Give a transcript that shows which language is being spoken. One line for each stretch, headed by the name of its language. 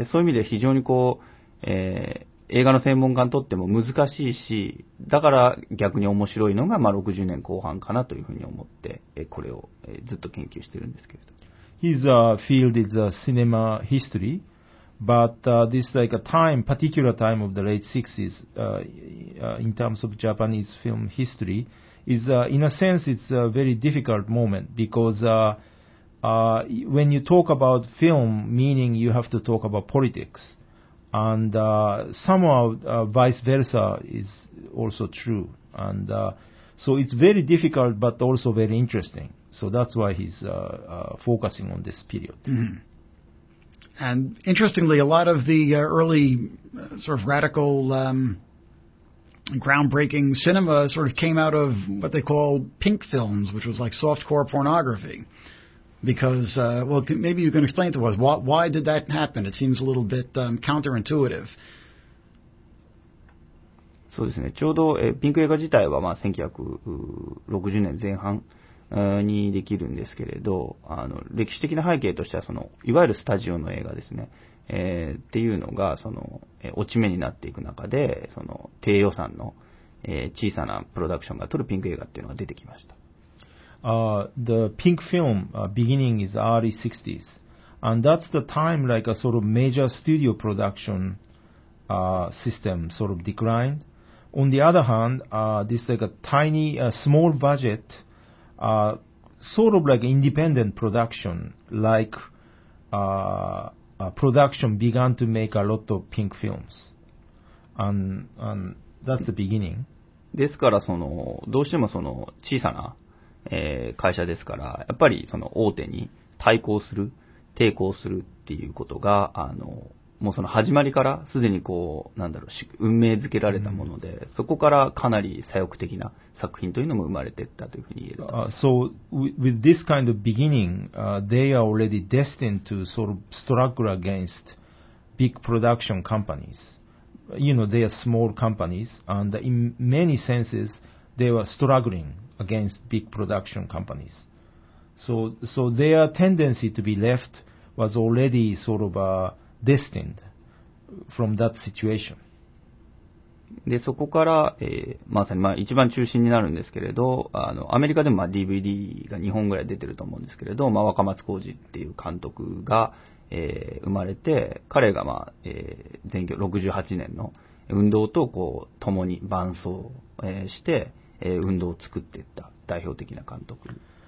Japanese: で、そういう意味で非常にこう、映画の専門家にとっても難しいし、だから逆に面白いのがまあ60年後半かなというふうに思って、これをずっと研究しているんですけれど。
English: His field is cinema history, but this like a time, particular time of the late 60s, in terms of Japanese film history, is in a sense it's a very difficult moment because when you talk about film, meaning you have to talk about politics, and somehow vice versa is also true, and so it's very difficult but also very interesting. So that's why he's focusing on this period. Mm-hmm. And interestingly, a lot of the early sort of radical groundbreaking cinema sort of came out of what they call pink films, which was like softcore pornography. Because, maybe you can explain to us, why did that happen? It seems a little bit counterintuitive.
Japanese: そうですね。ちょうど、ピンク映画自体は、まあ、1960年前半。にできるんですけれど、歴史的な背景としてはそのいわゆるスタジオの映画ですね、っていうのがその、落ち目になっていく中でその低予算の、小さなプロダクションが撮るピンク映画っていうのが出てきました。
English: The pink film beginning is early 60s, and that's the time like a sort of major studio production system sort of declined. On the other hand, this like a tiny, small budget. Sort of like independent production, like a production began to make a lot of pink films. And that's the beginning.
Japanese: ですから、どうしてもその小さな、会社ですから、やっぱりその大手に対抗する、抵抗するっていうことが、もうその始まりからすでにこう、なんだろう、運命づけられたもので、mm-hmm. そこからかなり左翼的な作品というのも生まれていったというふうに言えると。
English: So, with this kind of beginning, they are already destined to sort of struggle against big production companies. you know, they are small companies, and in many senses, they were struggling against big production companies. So their tendency to be left was already sort of destined from that situation.
Japanese: でそこから、まさに、まあ、一番中心になるんですけれど、あのアメリカでも、まあ、DVD が2本ぐらい出てると思うんですけれど、まあ、若松浩二っていう監督が、生まれて、彼が、まあ前期68年の運動とこう共に伴走、して、運動を作っていった代表的な監督。